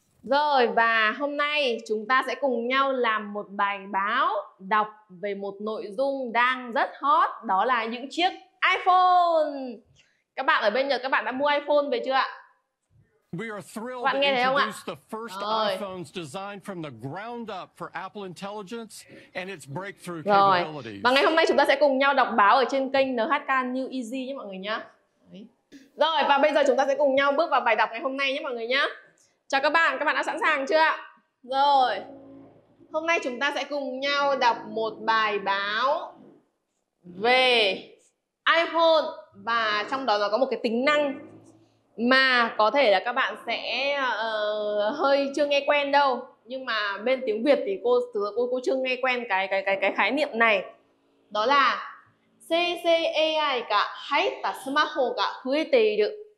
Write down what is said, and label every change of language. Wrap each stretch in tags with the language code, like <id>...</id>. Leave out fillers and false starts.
<vi>Rồi, và hôm nay chúng ta sẽ cùng nhau làm một bài báo đọc về một nội dung đang rất hot, đó là những chiếc iPhone. Các bạn ở bên Nhật, các bạn đã mua iPhone về chưa ạ? Các bạn nghe thấy không ạ?</vi> <en>The first iPhones designed from the ground up for Apple intelligence and its breakthrough capabilities.</en> <vi>Và ngày hôm nay chúng ta sẽ cùng nhau đọc báo ở trên kênh NHK New Easy nhé mọi người nhé. Rồi, và bây giờ chúng ta sẽ cùng nhau bước vào bài đọc ngày hôm nay nhé mọi người nhé. Chào các bạn đã sẵn sàng chưa ạ? Rồi, hôm nay chúng ta sẽ cùng nhau đọc một bài báo về iPhone, và trong đó nó có một cái tính năng mà có thể là các bạn sẽ hơi chưa nghe quen đâu, nhưng mà bên tiếng Việt thì cô chưa nghe quen cái khái niệm này, đó là CCAI cả hay là smartphone cả huy tì được.</vi>